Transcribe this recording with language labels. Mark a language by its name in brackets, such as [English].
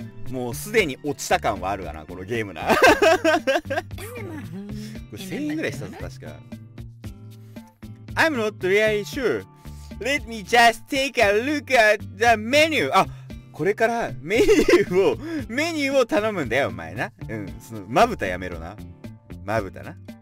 [Japanese] もうすでに落ちた感はあるわな、このゲームな。これ1000円ぐらいしたぞ、確か。 [English] I'm not really sure. Let me just take a look at the menu. [Japanese] あ、これからメニューを頼むんだよ、お前な。うん、そのまぶたやめろな。まぶたな。